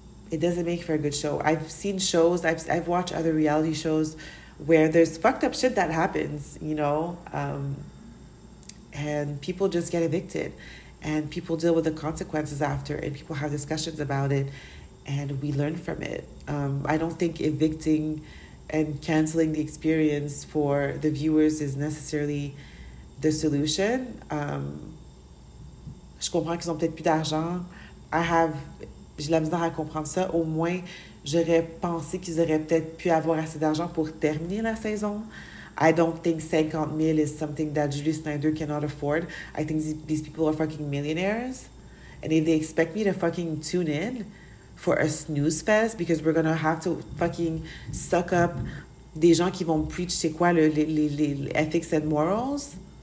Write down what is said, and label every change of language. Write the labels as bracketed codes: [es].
[en] It doesn't make for a good show. I've seen shows, I've watched other reality shows where there's fucked up shit that happens, you know, and people just get evicted. And people deal with the consequences after, and people have discussions about it, and we learn from it. I don't think evicting and canceling the experience for the viewers is necessarily the solution. [fr] Je comprends qu'ils ont peut-être plus d'argent. J'ai la misère à comprendre ça. Au moins, j'aurais pensé qu'ils auraient peut-être pu avoir assez d'argent pour terminer la saison. [en] I don't think 50 mil is something that Julie Snyder cannot afford. I think these people are fucking millionaires. And if they expect me to fucking tune in for a snooze fest, because we're gonna have to fucking suck up [fr] des gens qui vont [en] preach, [fr] c'est quoi, les [en] ethics and morals?